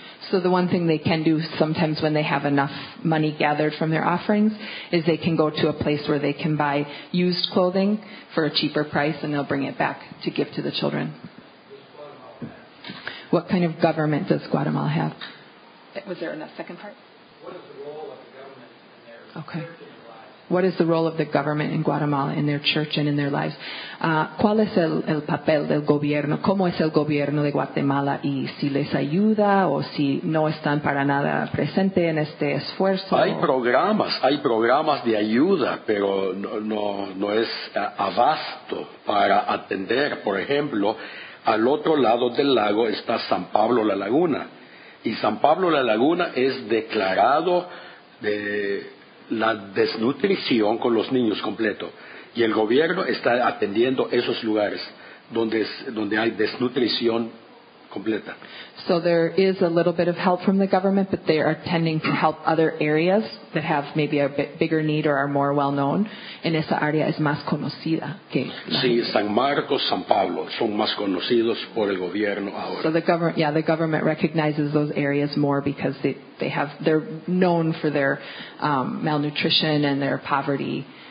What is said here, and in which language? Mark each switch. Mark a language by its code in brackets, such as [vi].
[en] So the one thing they can do sometimes when they have enough money gathered from their offerings is they can go to a place where they can buy used clothing for a cheaper price, and they'll bring it back to give to the children. What kind of government does Guatemala have? Was there enough second part? What is the role of the government in their Okay. What is the role of the government in Guatemala in their church and in their lives? [es] ¿Cuál es el papel del gobierno? ¿Cómo es el gobierno de Guatemala? ¿Y si les ayuda o si no están para nada presente en este esfuerzo? Hay programas de ayuda, pero no es abasto para atender. Por ejemplo, al otro lado del lago está San Pablo La Laguna. Y San Pablo La Laguna es declarado de la desnutrición con los niños completo, y el gobierno está atendiendo esos lugares donde hay desnutrición completa. [en] So there is a little bit of help from the government, but they are tending to help other areas that have maybe a bit bigger need or are more well known. [es] En esa área es más conocida que sí, San Marcos, San Pablo son más conocidos por el gobierno ahora. [en] So the government recognizes those areas more because they have they're known for their malnutrition and their poverty.